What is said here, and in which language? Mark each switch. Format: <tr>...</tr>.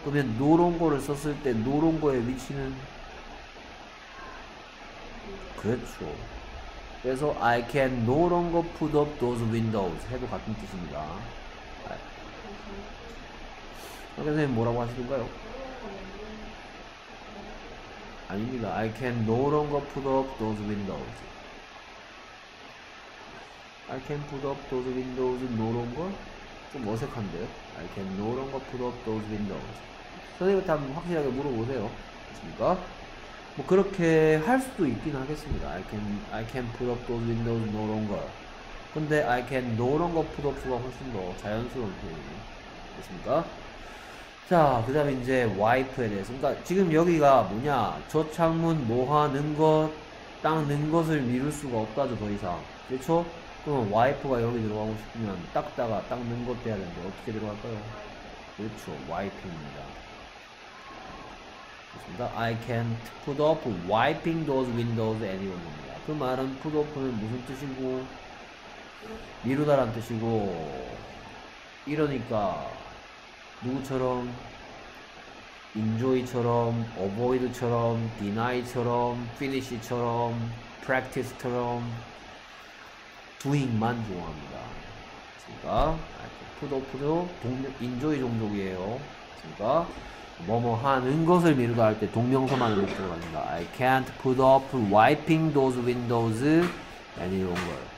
<ko>그러면 노론고를 썼을 때 노론고의 위치는 그쵸. 그래서</ko> <en>I can no longer put up those windows</en> <ko>해도 같은 뜻입니다. 선생님 뭐라고 하시던가요? 아닙니다.</ko> <en>I can no longer put up those windows. I can put up those windows no longer?</en> <ko>좀 어색한데요?</ko> <en>I can no longer put up those windows.</en> <ko>선생님한테 한번 확실하게 물어보세요. 맞습니까? 뭐 그렇게 할 수도 있긴 하겠습니다.</ko> <en>I can put up those windows no longer.</en> <ko>근데</ko> <en>I can no longer put up</en> <ko>수가 훨씬 더 자연스러운 표현이에요. 맞습니까? 자, 그 다음에 이제 와이프에 대해서. 그러니까 지금 여기가 뭐냐? 저 창문 뭐 하는 것, 닦는 것을 미룰 수가 없다죠, 더 이상. 그렇죠? 그럼 와이프가 여기 들어가고 싶으면 닦다가 닦는 것 돼야 되는데 어떻게 들어갈까요? 그렇죠, 와이핑입니다. 그렇습니다.</ko> <en>I can't put up wiping those windows anymore.</en> <ko>그 말은 put up는 무슨 뜻이고 미루다란 뜻이고 이러니까 누구처럼 enjoy처럼 avoid처럼 deny처럼 finish처럼 practice처럼 doing만 좋아합니다. 그러니까 put up도 enjoy 종족이에요. 그러니까 뭐뭐 하는 것을 미루다 할때 동명사만을 목적으로 합니다.</ko> <en>I can't put up wiping those windows any longer.</en>